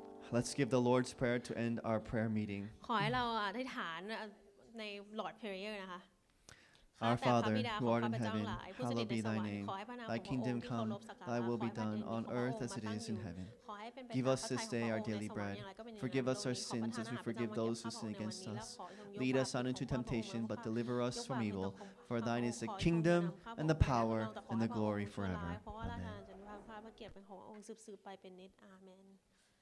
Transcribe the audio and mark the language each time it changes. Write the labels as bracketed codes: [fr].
[en] Let's give the Lord's Prayer to end our prayer meeting. [th] ขอให้เราอธิษฐานใน Lord Prayer นะคะ [en] Our Father, who art in heaven, hallowed be thy name. Thy kingdom come, thy will be done on earth as it is in heaven. Give us this day our daily bread. Forgive us our sins as we forgive those who sin against us. Lead us not into temptation, but deliver us from evil. For thine is the kingdom and the power and the glory forever. Amen.